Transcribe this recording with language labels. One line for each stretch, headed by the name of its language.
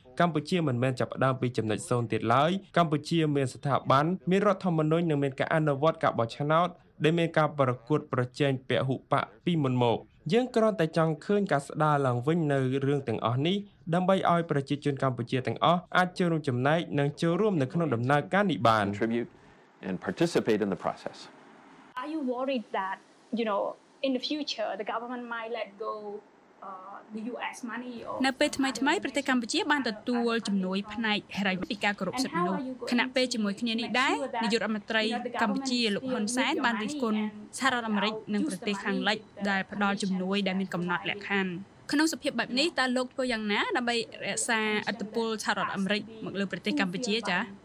Khmer: កម្ពុជាមិនមែនចាប់ផ្ដើមពីចំណុចសូន្យទៀតឡើយកម្ពុជាមានស្ថាប័នមានរដ្ឋធម្មនុញ្ញនិងមានការអនុវត្តការបោះឆ្នោតដែលមានការប្រកួតប្រជែងពហុបកពីមុនមកយើងគ្រាន់តែចង់ឃើញការស្ដារឡើងវិញនូវរឿងទាំងអស់នេះដើម្បីឲ្យប្រជាជនកម្ពុជាទាំងអស់អាចចូលរួមចំណែកនិងចូលរួមនៅក្នុងដំណើរការនេះបាន
English: Are you worried that, you know, in the future the government might let go the US money or
Khmer: នៅពេលថ្មីៗប្រទេសកម្ពុជាបានទទួលជំនួយផ្នែកហិរញ្ញវិទ្យាគ្រប់សិទ្ធិមនុស្សខណៈពេលជាមួយគ្នានេះដែរនាយករដ្ឋមន្ត្រីកម្ពុជាលោកហ៊ុនសែនបានរិះគន់សហរដ្ឋអាមេរិកនិងប្រទេសខាងលិចដែលផ្ដល់ជំនួយដែលមានកំណត់លក្ខខណ្ឌក្នុងសភាពបែបនេះតើលោកធ្វើយ៉ាងណាដើម្បីរក្សាឥទ្ធិពលសហរដ្ឋអាមេរិកមកលើប្រទេសកម្ពុជាចា